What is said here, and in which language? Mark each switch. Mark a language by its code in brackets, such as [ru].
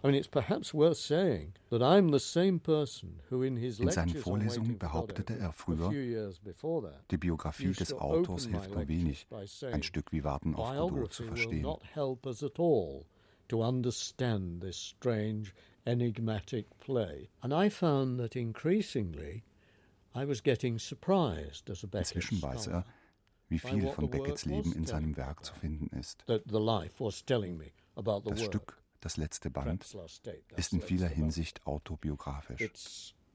[en] I mean, it's perhaps worth saying that I'm the same person who, in his lectures, [de] in seinen Vorlesungen behauptete er früher, die Biografie des Autors hilft nur wenig, ein Stück wie Warten auf Godot zu verstehen. [en] Biography will not help us at all to understand this strange, enigmatic play. And I found that increasingly, I was getting surprised as a Beckett scholar. [de] Inzwischen weiß er, wie viel von Beckets Leben in seinem Werk zu finden ist. Das Stück, das letzte Band, ist in vieler Hinsicht autobiografisch.